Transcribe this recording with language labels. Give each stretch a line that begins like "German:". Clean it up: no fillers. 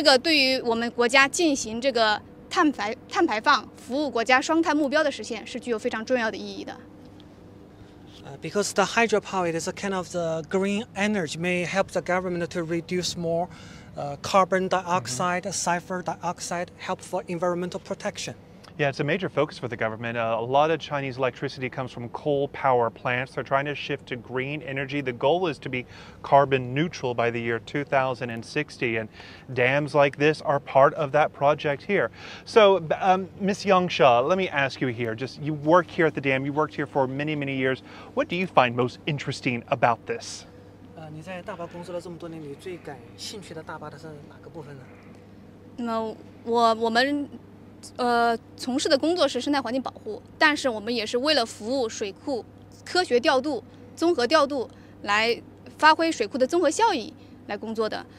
Chinese: 2破了1100亿，18亿度电。那么这个也是创了单座电站的年发电量突破了1100亿，18亿度电。那么这个量相当于减少了燃煤4.58亿吨。那么同时我们也是减排了二氧化碳，大概12亿吨减排了二氧化硫。所以这个对于我们国家进行这个 碳排放，服务国家双碳目标的实现是具有非常重要的意义的。
English: Because the hydropower is a kind of the green energy, may help the government to reduce more carbon dioxide, sulfur dioxide, help for environmental protection. Yeah, it's a major focus for the government. A lot of Chinese electricity comes from coal power plants. They're trying to shift to green energy. The goal is to be carbon neutral by the year 2060, and dams like this are part of that project here. So, Ms. Yangsha, let me ask you here. Just, you work here at the dam. You worked here for many, many years. What do you find most interesting about this?
Chinese: 你在大坝工作了这么多年，你最感兴趣的大坝的是哪个部分呢？那我们从事的工作是生态环境保护，但是我们也是为了服务水库科学调度、综合调度，来发挥水库的综合效益来工作的。